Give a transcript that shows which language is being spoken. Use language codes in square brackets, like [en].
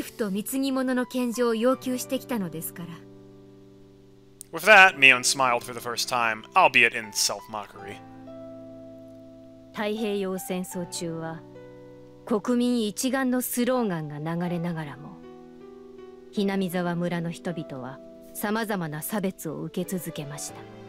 [ja] その神秘性で麓の村人たちを怖がらせ、イフと貢ぎ物の献上を要求してきたのですから。 [en] With that, Mion smiled for the first time, albeit in self-mockery. [ja] 太平洋戦争中は国民一丸のスローガンが流れながらも、雛見沢村の人々は様々な差別を受け続けました。